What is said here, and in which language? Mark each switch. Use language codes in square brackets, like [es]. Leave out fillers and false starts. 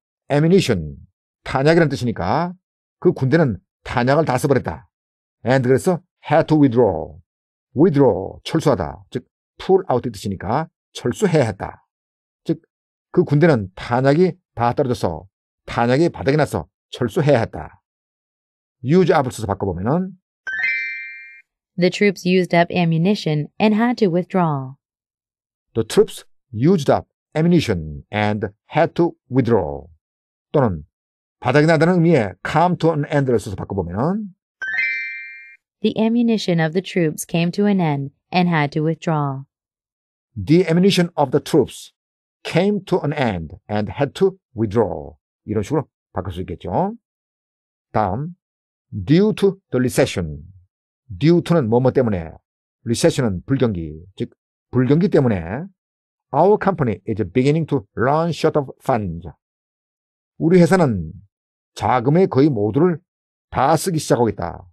[ko] ammunition, 탄약이라는 뜻이니까 그 군대는 탄약을 다 써버렸다. [en] and 그래서 had to withdraw. withdraw, 철수하다. [ko] 즉, pull out의 뜻이니까 철수해야 했다. 즉, 그 군대는 탄약이 다 떨어져서 탄약이 바닥에 나서 철수해야 했다. use up을 써서 바꿔보면 [en] The troops used up ammunition and had to withdraw. The troops used up ammunition and had to withdraw. [ko] 또는 바닥이 나다는 의미의 come to an end를 써서 바꿔보면 [en] The ammunition of the troops came to an end and had to withdraw. The ammunition of the troops came to an end and had to withdraw. [ko] 이런 식으로 바꿀 수 있겠죠. 다음, [en] due to the recession. due to는 [ko] 뭐뭐 때문에, [en] recession은 [ko] 불경기, 즉 불경기 때문에 [en] our company is beginning to run short of funds. [ko] 우리 회사는 자금의 거의 모두를 다 쓰기 시작하고 있다.